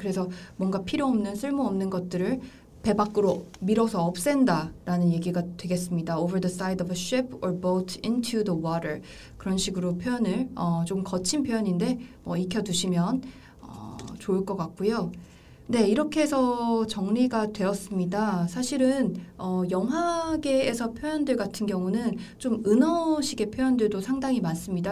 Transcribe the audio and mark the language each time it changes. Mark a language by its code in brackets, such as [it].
[ko] 그래서 뭔가 필요 없는, 쓸모 없는 것들을 배 밖으로 밀어서 없앤다라는 얘기가 되겠습니다. [en] Over the side of a ship or boat into the water. [ko] 그런 식으로 표현을 좀 거친 표현인데 뭐 익혀두시면 좋을 것 같고요. 네, 이렇게 해서 정리가 되었습니다. 사실은 영화계에서 표현들 같은 경우는 좀 은어식의 표현들도 상당히 많습니다.